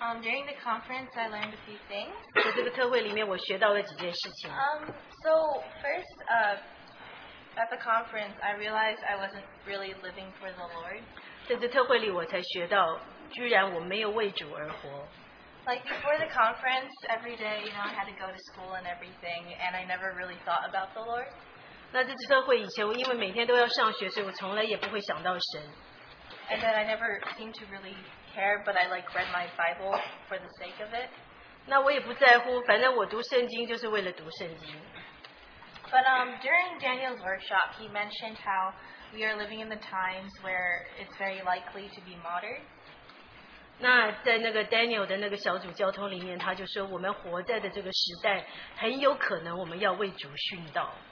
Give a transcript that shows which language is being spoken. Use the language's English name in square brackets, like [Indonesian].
[English] During the conference, I learned a few things. [Chinese] 在这个特会里面，我学到了几件事情。 [English] So first, at the conference, I realized I wasn't really living for the Lord. [Chinese] 在这特会里，我才学到，居然我没有为主而活。 [English] Like before the conference, every day, you know, I had to go to school and everything, and I never really thought about the Lord. [Chinese] 那在这特会以前，因为每天都要上学，所以我从来也不会想到神。 [English] And then I never seemed to really care, but I like read my Bible for the sake of it. [Chinese] 那我也不在乎，反正我读圣经就是为了读圣经。 [English] But during Daniel's workshop, he mentioned how we are living in the times where it's very likely to be modern. [Chinese] 那在那个 Daniel 的那个小组交通里面，他就说我们活在的这个时代，很有可能我们要为主殉道。